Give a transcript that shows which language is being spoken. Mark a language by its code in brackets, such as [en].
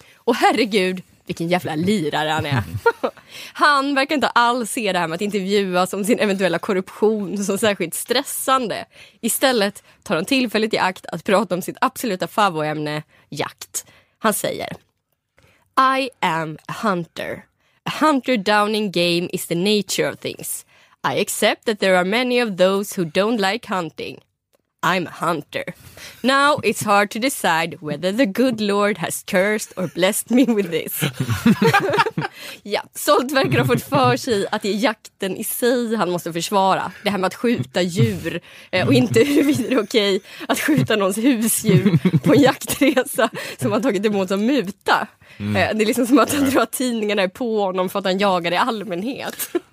[sv] Och herregud, vilken jävla lirare han är. Han verkar inte alls se det här med att intervjuas om sin eventuella korruption som särskilt stressande. Istället tar han tillfället i akt att prata om sitt absoluta favoritämne, jakt. Han säger: [en] I am a hunter. A hunter down in game is the nature of things. I accept that there are many of those who don't like hunting. I'm a hunter. Now it's hard to decide whether the good Lord has cursed or blessed me with this. [sv] Ja, Salt verkar ha fått för sig att det är jakten i sig han måste försvara. Det här med att skjuta djur och inte huruvida det är okej att skjuta någons husdjur på en jaktresa som han tagit emot som muta. Det är liksom som att han drar tidningarna på honom för att han jagar i allmänhet.